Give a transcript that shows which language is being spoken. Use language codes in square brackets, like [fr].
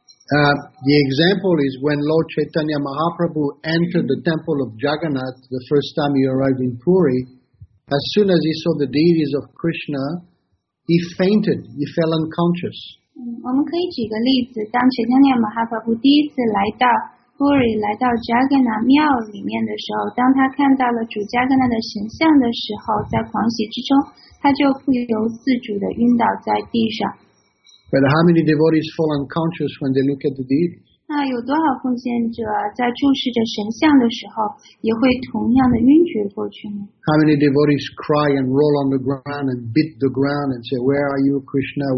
[en] The example is when Lord Chaitanya Mahaprabhu entered the temple of Jagannath the first time he arrived in Puri. As soon as he saw the deities of Krishna, he fainted, he fell unconscious. [zh] 我们可以举个例子，当 Chaitanya Mahaprabhu 第一次来到 Puri, 来到 Jagannath 庙里面的时候，当他看到了主 Jagannath 的神像的时候，在狂喜之中，他就不由自主地晕倒在地上。 [en] But how many devotees fall unconscious when they look at the deities? [zh] 那有多少奉献者在注视着神像的时候，也会同样的晕厥过去呢？ [en] How many devotees cry and roll on the ground and beat the ground and say, "Where are you, Krishna?